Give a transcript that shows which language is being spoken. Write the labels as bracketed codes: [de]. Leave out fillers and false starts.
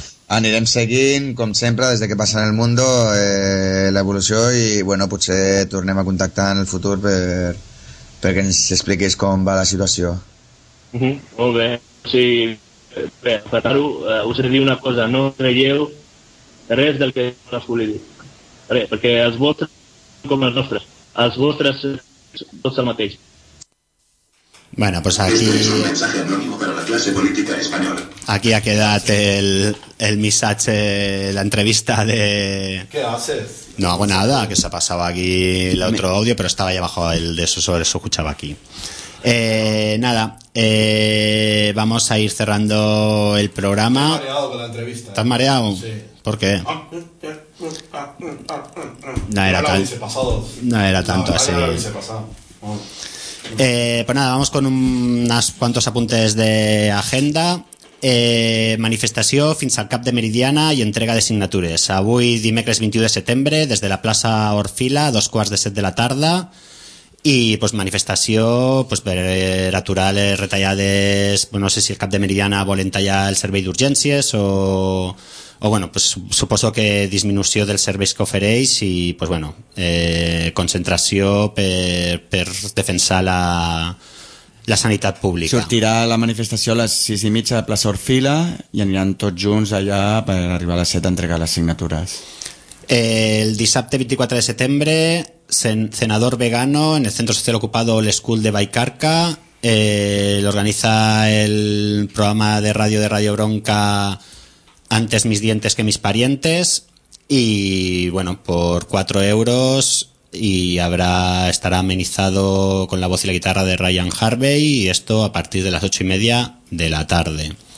[ca] Anirem seguint, com sempre, des de que passa [es] en el mundo, [ca] l'evolució, i bueno, potser tornem a contactar en el futur perquè ens expliquis com va la situació. Mm-hmm. Molt bé. Sí, bé, per tant, us he de dir una cosa, no creieu res del que us vull dir. Res, perquè els vostres són com els nostres. Els vostres... tots el mateix. [es] Bueno, pues aquí... Esto es un mensaje anónimo para la clase política española. Aquí ha quedado el misache, la entrevista de... ¿Qué haces? No hago nada, que se ha pasado aquí el otro audio, pero estaba ahí abajo el de eso, sobre eso escuchaba aquí. Nada, vamos a ir cerrando el programa. Estás mareado con la entrevista. ¿Estás mareado? Sí. ¿Por qué? No era tanto así. Pues nada, vamos con unos cuantos apuntes de agenda. [ca] Manifestació fins al cap de Meridiana i entrega de signatures. Avui, dimecres 21 de setembre, des de la plaça Orfila, a 6:45 de la tarda. I pues, manifestació pues, per aturar les retallades. No sé si el cap de Meridiana volen tallar el servei d'urgències o bueno, pues, suposo que disminució dels serveis que ofereix i pues, bueno, concentració per defensar la sanitat pública. Sortirà la manifestació a les 6:30 de plaça Orfila i aniran tots junts allà per arribar a les 7 a entregar les signatures. El dissabte 24 de setembre, [es] senador vegano en el centro social ocupado L'Escul de Vallcarca, [ca] organitza el programa de ràdio de [es] Radio Bronca Antes mis dientes que mis parientes y bueno, por 4 euros y estará amenizado con la voz y la guitarra de Ryan Harvey y esto a partir de las 8:30 de la tarde.